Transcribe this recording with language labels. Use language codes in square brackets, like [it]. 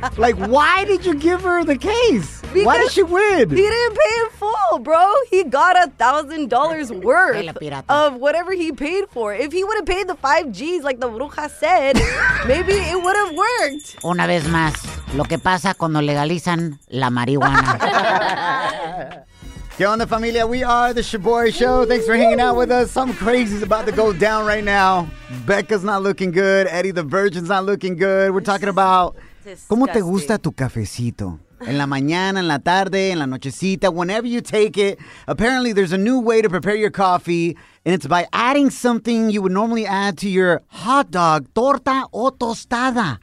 [en] Like, why did you give her the case? Because why did she win? He didn't pay in full, bro. He got $1,000 worth of whatever he paid for. If he would have paid the 5 G's, like the bruja said, maybe it would have worked. [es] Una vez más, lo que pasa cuando legalizan la marihuana. ¿Qué onda, familia? [en] We are the Shaboy Show. Thanks for hanging out with us. Something crazy is about to go down right now. Becca's not looking good. Eddie the Virgin's not looking good. We're talking about... Disgusting. [es] ¿Cómo te gusta tu cafecito? En la mañana, en la tarde, en la nochecita, [en] whenever you take it. Apparently, there's a new way to prepare your coffee, and it's by adding something you would normally add to your hot dog, [es] torta o tostada.